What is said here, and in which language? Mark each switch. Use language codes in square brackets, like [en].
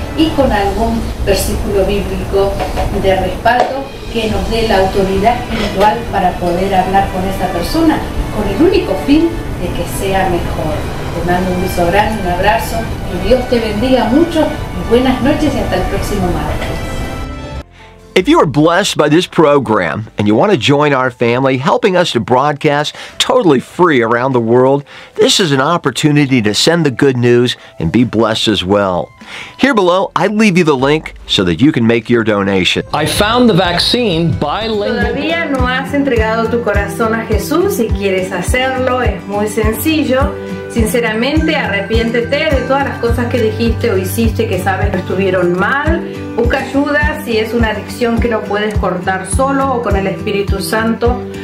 [es] y con algún versículo bíblico de respaldo que nos dé la autoridad espiritual para poder hablar con esa persona con el único fin de que sea mejor. Te mando un beso grande, un abrazo, que Dios te bendiga mucho y buenas noches y hasta el próximo martes. [en] If you are blessed by this program and you want to join our family, helping us to broadcast totally free around the world, this is an opportunity to send the good news and be blessed as well. Here below, I leave you the link so that you can make your donation. I found the vaccine bilingual. [es] ¿Todavía no has entregado tu corazón a Jesús y quieres hacerlo? Es muy sencillo. Sinceramente, arrepiéntete de todas las cosas que dijiste o hiciste que sabes que estuvieron mal. Busca ayuda si es una adicción que no puedes cortar solo o con el Espíritu Santo.